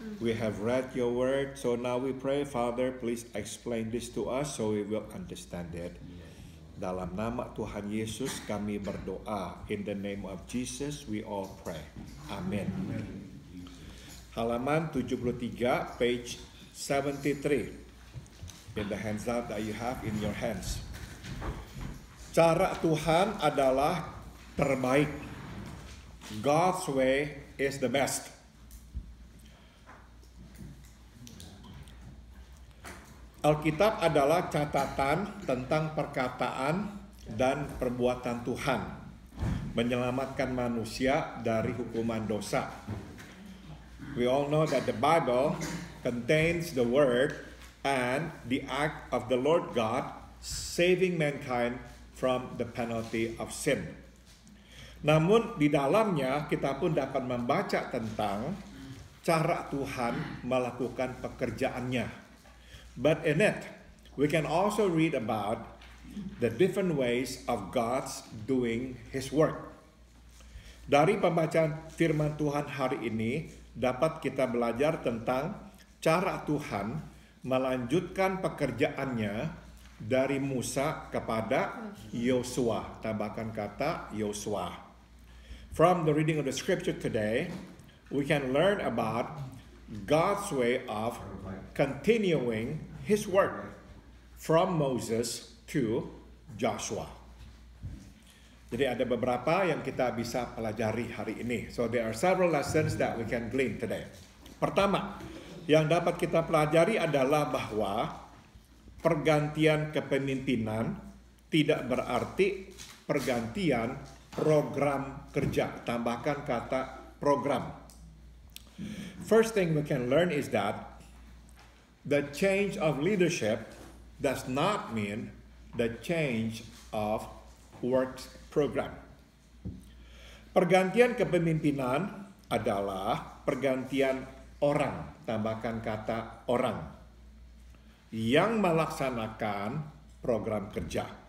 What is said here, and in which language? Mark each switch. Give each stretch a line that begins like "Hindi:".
English: We have read your word, so now we pray, Father, please explain this to us so we will understand it.
Indonesian: Dalam nama Tuhan Yesus kami berdoa.
English: In the name of Jesus we all pray. Amen.
Indonesian: Halaman 73,
English: page 73. In the hands out that you have in your hands.
Indonesian: Cara Tuhan adalah terbaik.
English: God's way is the best.
Indonesian: Alkitab adalah catatan tentang perkataan dan perbuatan Tuhan, menyelamatkan manusia dari hukuman dosa.
English: We all know that the Bible contains the word and the act of the Lord God saving mankind from the penalty of sin.
Indonesian: Namun di dalamnya kita pun dapat membaca tentang cara Tuhan melakukan pekerjaannya.
English: But in it, we can also read about the different ways of God's doing His work.
Indonesian: Dari pembacaan firman Tuhan hari ini, dapat kita belajar tentang cara Tuhan melanjutkan pekerjaannya dari Musa kepada Yosua. Tambahkan kata Yosua.
English: From the reading of the scripture today, we can learn about God's way of continuing His work from Moses to Joshua.
Indonesian: Jadi ada beberapa yang kita bisa pelajari hari ini.
English: So there are several lessons that we can glean today.
Indonesian: Pertama, yang dapat kita pelajari adalah bahwa pergantian kepemimpinan tidak berarti pergantian program kerja. Tambahkan kata program.
English: First thing we can learn is that the change of leadership does not mean the change of work program.
Indonesian: Pergantian kepemimpinan adalah pergantian orang, tambahkan kata orang, yang melaksanakan program kerja.